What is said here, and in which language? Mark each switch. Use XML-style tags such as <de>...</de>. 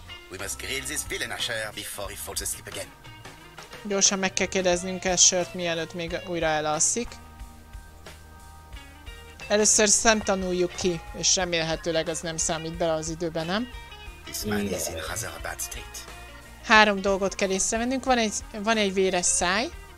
<en>We must grill this villain Asher before he falls asleep again.</en> <hu>Gyorsan meg kell kérdeznünk Ashert, mielőtt még újra elalszik. Először szemtanuljuk ki, és remélhetőleg az nem számít bele az időben, nem?</hu> <en>This man is in rather a bad state.</en> <hu>Három dolgot kell észrevennünk. Van egy véres száj.</hu>